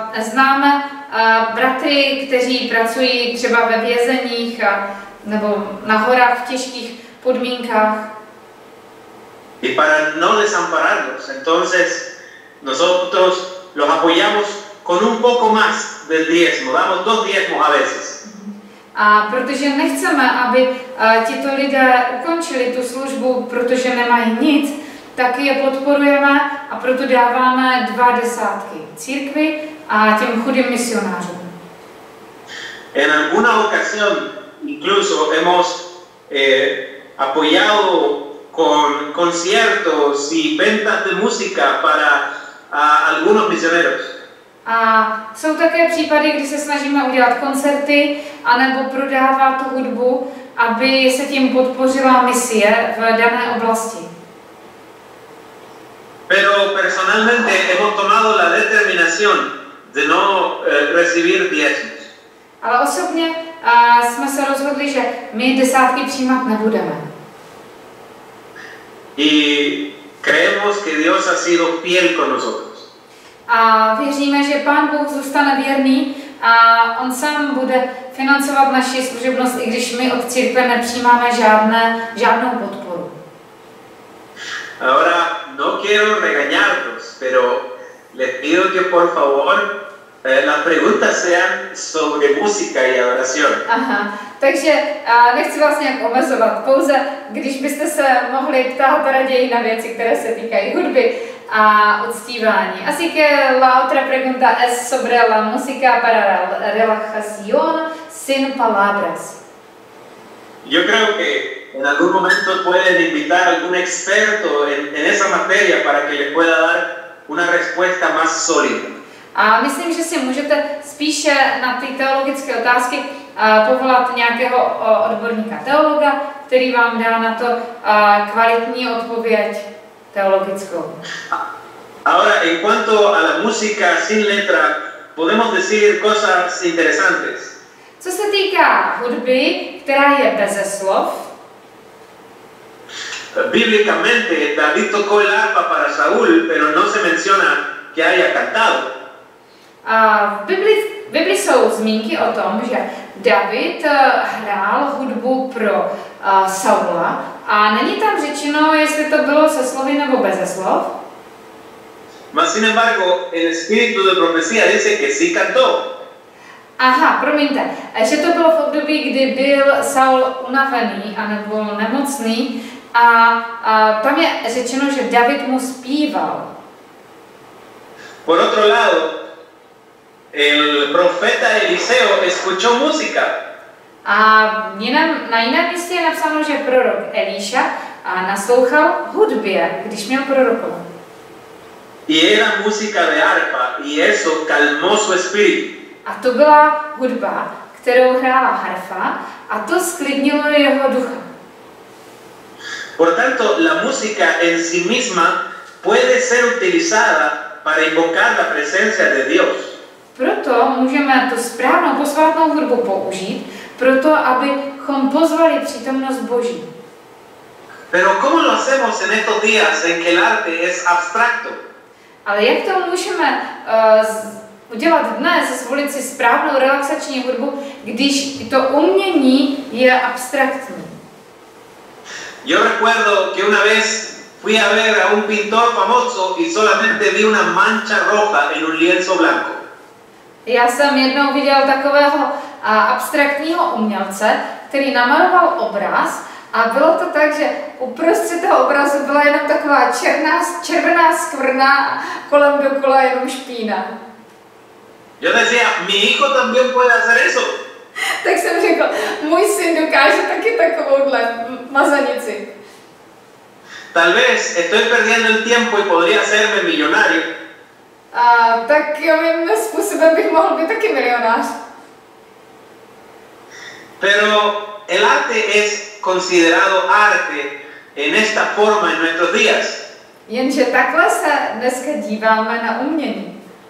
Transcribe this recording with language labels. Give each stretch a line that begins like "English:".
Czech: Známe bratry, kteří pracují třeba ve vězeních nebo na horách v těžkých podmínkách.
Spanish: Y para no desampararlos, entonces nosotros los apoyamos con un poco más del diezmo, damos dos diezmos a veces.
Czech: A protože nechceme, aby tito lidé ukončili tu službu, protože nemají nic, tak je podporujeme a proto dáváme 20 církvi a těm chudým misionářům.
Spanish: En alguna ocasión incluso hemos apoyado con conciertos y ventas de música para algunos misioneros.
Czech: A jsou také případy, kdy se snažíme udělat koncerty anebo prodávat hudbu, aby se tím podpořila misie v dané oblasti.
Spanish: Pero personalmente hemos tomado la determinación de no recibir diezmos.
Czech: Ale osobně jsme se rozhodli, že my desátky přijímat nebudeme.
Spanish: Y creemos que Dios ha sido fiel con nosotros.
Czech: A věříme, že Pán Bůh zůstane věrný a On sám bude financovat naši služebnost, i když my od církve nepřijímáme žádnou podporu.
Spanish: Ahora no quiero regañarlos, pero les pido que por favor las preguntas sean sobre música y adoración.
Czech: Takže nechci vás nějak omezovat, pouze když byste se mohli ptát raději na věci, které se týkají hudby a uctívání.
Spanish: Así que la otra pregunta es sobre la música para relajación sin palabras. Yo creo que en algún momento pueden invitar a algún experto en esa materia para que les pueda dar una respuesta más sólida.
Czech: A myslím, že si můžete spíše na ty teologické otázky povolat nějakého odborníka teologa, který vám dá na to kvalitní odpověď teologickou.
Spanish: Ahora, en cuanto a la música sin letra, podemos decir cosas interesantes.
Czech: Co se týká hudby, která je bez slov?
Spanish: Bíblicamente David tocó el arpa para Saúl, pero no se menciona que haya cantado.
Czech: A v Bibli jsou zmínky o tom, že David hrál hudbu pro Saula a není tam řečeno, jestli to bylo se slovy nebo bez slov.
Spanish: Mas sin embargo, el espíritu de profecía dice que sí cantó.
Czech: Aha, promiňte, že to bylo v období, kdy byl Saul unavený anebo nemocný a tam je řečeno, že David mu zpíval.
Spanish: Por otro lado, el profeta Eliseo escuchó música.
Czech: A na jiném místě je napsáno, že prorok Eliša naslouchal hudbě, když měl prorokovat.
Spanish: Y era música de arpa y eso calmó su espíritu.
Czech: A to byla hudba, kterou hrála harfa a to sklidnilo jeho ducha.
Spanish: Por tanto, la música en sí misma puede ser utilizada para invocar la presencia de Dios.
Czech: Proto můžeme tu správnou posvátnou hudbu použít, proto abychom pozvali přítomnost Boží.
Spanish: Pero cómo lo hacemos en estos días en que el arte es abstracto?
Czech: Ale jak to můžeme udělat dnes, zvolit si správnou relaxační hudbu, když to umění je abstraktní?
Spanish: Yo recuerdo que una vez fui a ver a un pintor famoso y solamente vi una mancha roja en un lienzo blanco.
Czech: Já jsem jednou viděl takového abstraktního umělce, který namaloval obraz a bylo to tak, že uprostřed toho obrazu byla jenom taková červená skvrna kolem dokola jenom špína.
Spanish: Yo decía, mi hijo también puede hacer eso.
Czech: Tak jsem řekl, můj syn dokáže taky takovouhle mazanici.
Spanish: Tal vez estoy perdiendo el tiempo y podría hacerme millonario.
Czech: Tak jovým způsobem bych mohl být taky milionář.
Spanish: Pero el arte es considerado arte en esta forma en nuestros días.
Czech: Jenže takhle se dneska díváme na umění.